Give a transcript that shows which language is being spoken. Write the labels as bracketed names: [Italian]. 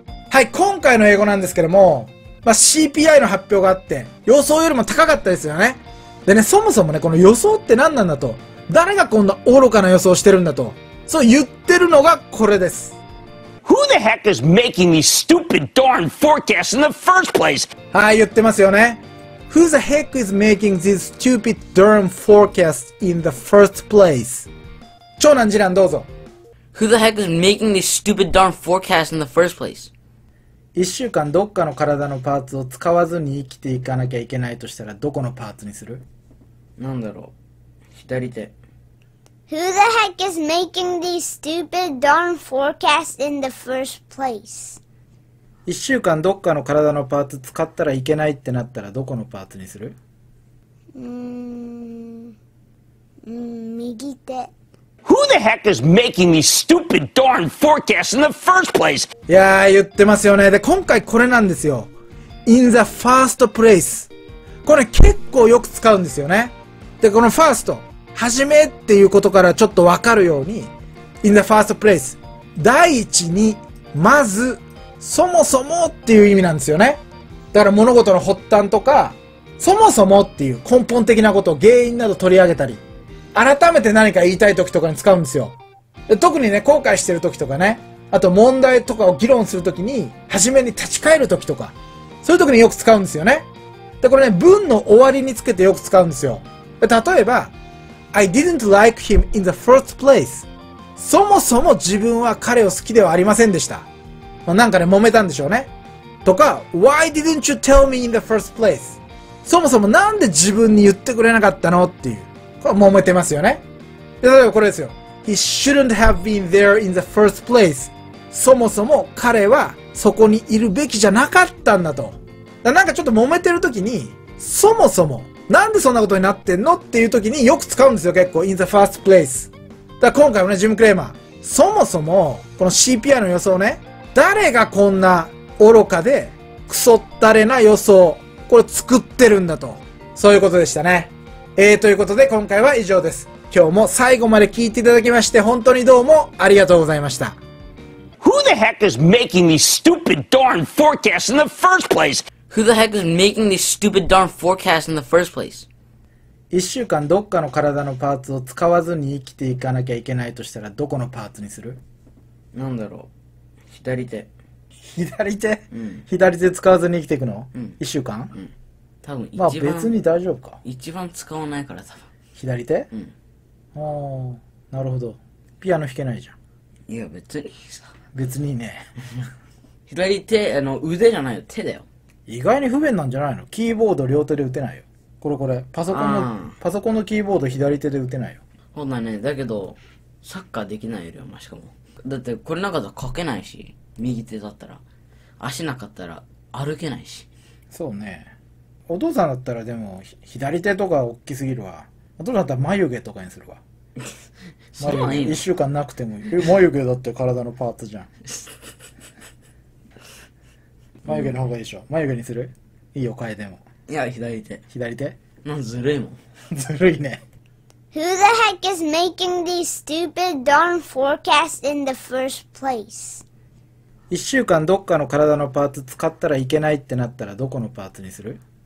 [Japanese] はい、今回の英語なんですけども、まあ、CPI の発表があって予想よりも高かったですよね。でね、そもそもね、この予想って何なんだと、誰がこんな愚かな予想してるんだと、そう言ってるのがこれです。 [English] Who the heck is making these stupid darn forecasts in the first place? [Japanese] はい、言ってますよね。 [English] Who the heck is making these stupid darn forecasts in the first place? [Japanese] 長男次男どうぞ。 [English] Who the heck is making these stupid darn forecasts in the first place? [Japanese] 一週間どっかの体のパーツを使わずに生きていかなきゃいけないとしたらどこのパーツにする？なんだろう。左手。 [English] Who the heck is making these stupid darn forecasts in the first place? [Japanese] 一週間どっかの体のパーツ使ったらいけないってなったらどこのパーツにする？右手。 [English] Who the heck is making these stupid darn forecasts in the first place? [Japanese] いやー言ってますよね。で今回これなんですよ。 [English] In the first place。 [Japanese] これ結構よく使うんですよね。でこの first。はじめっていうことからちょっとわかるように [English] In the first place [Japanese] 第一に、まず、そもそもっていう意味なんですよね。だから物事の発端とかそもそもっていう根本的なことを原因など取り上げたり、改めて何か言いたい時とかに使うんですよ。で特にね、後悔してる時とかね、あと問題とかを議論する時に、はじめに立ち返る時とか、そういう時によく使うんですよね。でこれね、文の終わりにつけてよく使うんですよ。で例えば [English] I didn't like him in the first place. [Japanese] そもそも自分は彼を好きではありませんでした。まあ、なんかね、揉めたんでしょうね。とか、 [English] Why didn't you tell me in the first place? [Japanese] そもそもなんで自分に言ってくれなかったのっていう。これ揉めてますよね。例えばこれですよ。 [English] He shouldn't have been there in the first place. [Japanese] そもそも彼はそこにいるべきじゃなかったんだと。だなんかちょっと揉めてる時に、そもそも、なんでそんなことになってんのっていう時によく使うんですよ、結構。 [English] in the first place。 [Japanese] だから今回もね、ジム・クレーマー。そもそも、この CPI の予想ね、誰がこんな愚かで、くそったれな予想、これ作ってるんだと。そういうことでしたね。ということで今回は以上です。今日も最後まで聞いていただきまして、本当にどうもありがとうございました。 [English] Who the heck is making these stupid darn forecasts in the first place? Who the heck is making these stupid darn forecasts in the first place? [Japanese] 一週間どっかの体のパーツを使わずに生きていかなきゃいけないとしたらどこのパーツにする？なんだろう。左手。左手？うん。左手使わずに生きていくの？うん。一週間？うん。多分一番。まあ別に大丈夫か。一番使わないから多分。左手？うん。ああ、なるほど。ピアノ弾けないじゃん。いや別に。別にね。左手、腕じゃないよ、手だよ。意外に不便なんじゃないの？キーボード両手で打てないよ。これこれ、パソコンのキーボード左手で打てないよ。ほんなね、だけど、サッカーできないよりはマシかも。だってこれなんかだと書けないし、右手だったら。足なかったら歩けないし。そうね。お父さんだったらでも、左手とか大きすぎるわ。お父さんだったら眉毛とかにするわ。そうなんや。一週間なくてもいい。眉毛だって体のパーツじゃん。眉毛の方がいいでしょ、うん、眉毛にする？いいよ、変えても。いや、左手。左手？なんずるいもん。ずるいね。 [English] Who the heck is making these stupid darn forecasts in the first place? [Japanese] 一週間どっかの体のパーツ使ったらいけないってなったらどこのパーツにする？